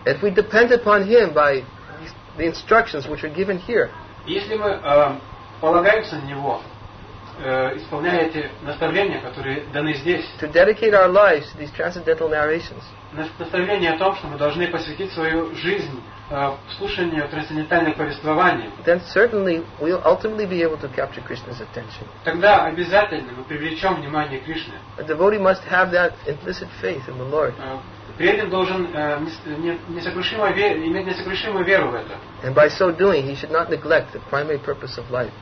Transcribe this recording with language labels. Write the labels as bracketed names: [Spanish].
[English] If we depend upon him by the instructions which are given here. [Russian] Если мы полагаемся на него, исполняя эти наставления, которые даны здесь. [English] To dedicate our lives to these transcendental narrations. [Russian] Наставление о том, что мы должны посвятить свою жизнь слушание трансцендентальных повествований. [English] Then certainly we'll ultimately be able to capture Krishna's attention. [Russian] Тогда обязательно мы привлечем внимание Кришны. [English] A devotee must have that implicit faith in the Lord. [Russian] Преданный должен иметь несокрушимую веру в это. [English] And by so doing, he should not neglect the primary purpose of life.